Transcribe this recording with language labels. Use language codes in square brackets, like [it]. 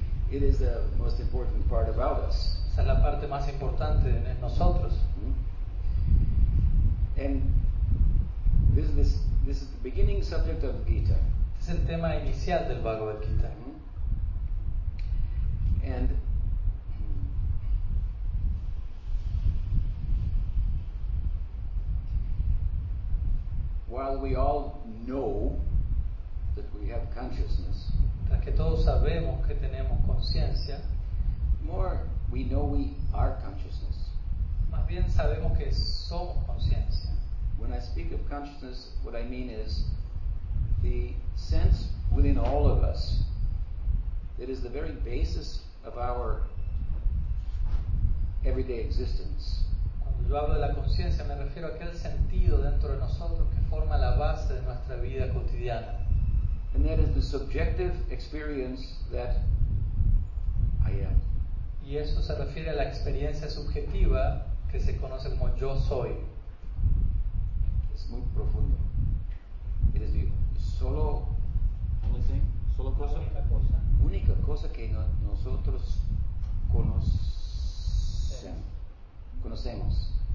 [en] It is the most important part about us. [es] Esa es la parte más importante en nosotros. [en] And this is the beginning subject of Gita. [es] Es el tema inicial del Bhagavad Gita. [en] And while we all know that we have consciousness, [es] que todos sabemos que tenemos conciencia, [en] more we know we are consciousness. [es] Más bien sabemos que somos conciencia. [en] When I speak of consciousness, what I mean is the sense within all of us that is the very basis of our everyday existence. [es] Cuando yo hablo de la conciencia, me refiero a aquel sentido dentro de nosotros que forma la base de nuestra vida cotidiana. [en] And that is the subjective experience that I am. [es] Y eso se refiere a la experiencia subjetiva que se conoce como yo soy. Es muy profundo. [en] It is the solo only thing, [es] solo cosa, única cosa que nosotros conocemos.